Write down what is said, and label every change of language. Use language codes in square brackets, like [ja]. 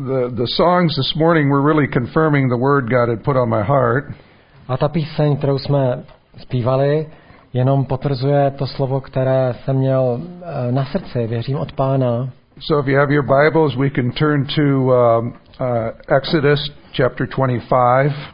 [en] The songs this morning were really confirming the word God had put on my heart. [cs] A ta píseň, kterou jsme zpívali, jenom potvrzuje to slovo, které jsem měl na srdci, věřím od Pána. [en] So if you have your Bibles, we can turn to Exodus chapter 25.